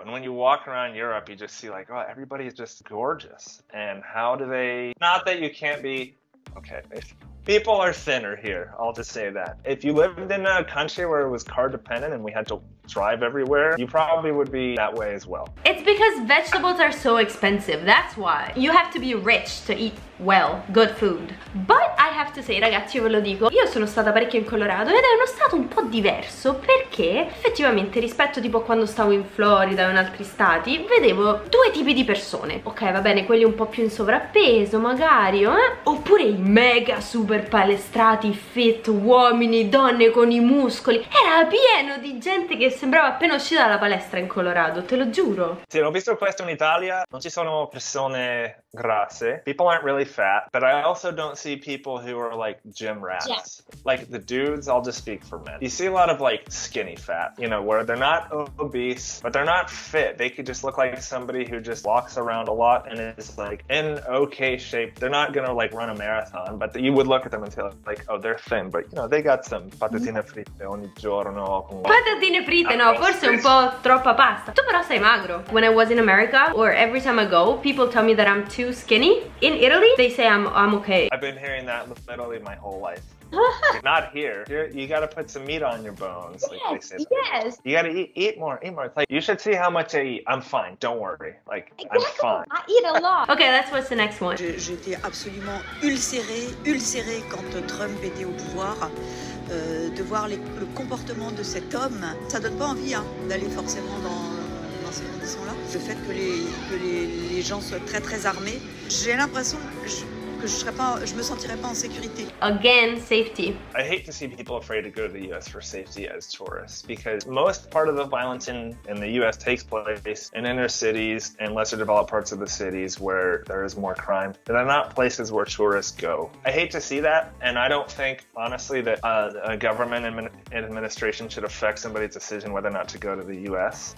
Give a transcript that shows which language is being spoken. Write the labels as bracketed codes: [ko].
[en] And when you walk around Europe, you just see like, oh, everybody is just gorgeous. And how do they, not that you can't be, okay, People are thinner here, I'll just say that. If you lived in a country where it was car dependent and we had to drive everywhere, you probably would be that way as well. It's because vegetables are so expensive, that's why. You have to be rich to eat well, good food. But I have to say, [it] ragazzi, io ve lo dico, io sono stata parecchio in Colorado ed è uno stato un po' diverso perché effettivamente rispetto tipo a quando stavo in Florida o in altri stati, vedevo due tipi di persone. Ok, va bene, quelli un po' più in sovrappeso magari, oppure i mega super palestrati, fit, uomini, donne con i muscoli. Era pieno di gente che sembrava appena uscita dalla palestra in Colorado, te lo giuro. Sì, l'ho visto questo in Italia, non ci sono persone grasse. [en] People aren't really fat, but I also don't see people who are like gym rats. Yeah. Like the dudes, I'll just speak for men. You see a lot of like skinny fat, you know, where they're not obese, but they're not fit. They could just look like somebody who just walks around a lot and is like in okay shape. They're not gonna like run a marathon, but you would look at them and say like, oh, they're thin, but you know, they got some [it] patatine fritte ogni giorno. Patatine fritte, no, forse un po' troppa pasta. Tu però sei magro. [en] When I was in America, or every time I go, people tell me that I'm too skinny. In Italy, they say I'm okay. I've been hearing that literally my whole life. Not here. Here, you gotta put some meat on your bones. Yes, like they say. Yes. You gotta eat more, eat more. Like, you should see how much I eat. I'm fine, don't worry. Like, exactly. I'm fine. I eat a lot. Okay, that's what's the next one. [fr] J'étais absolument ulcérée quand Trump était au pouvoir. De voir le comportement de cet homme, ça donne pas envie d'aller forcément dans ces conditions-là. Le fait que les gens soient très très armés, j'ai l'impression que je me sentirais pas en sécurité. [en] Again, safety. I hate to see people afraid to go to the US for safety as tourists because most part of the violence in the US takes place in inner cities and lesser developed parts of the cities where there is more crime. And they're not places where tourists go. I hate to see that, and I don't think, honestly, that a government administration should affect somebody's decision whether or not to go to the US.